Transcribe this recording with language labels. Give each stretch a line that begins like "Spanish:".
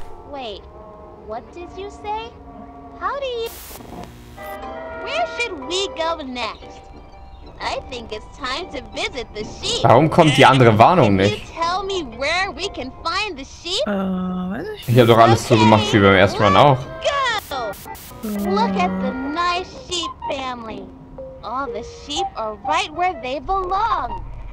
English: Wait, what did you say? How do you... Where should we go next? I think it's time to visit the sheep.
German: Warum kommt die andere Warnung nicht?
English: Can you tell me where we can find the sheep?
German: Ich hab doch alles so gemacht wie beim ersten Run auch.
English: Look at the nice sheep family. All the sheep are right where they belong.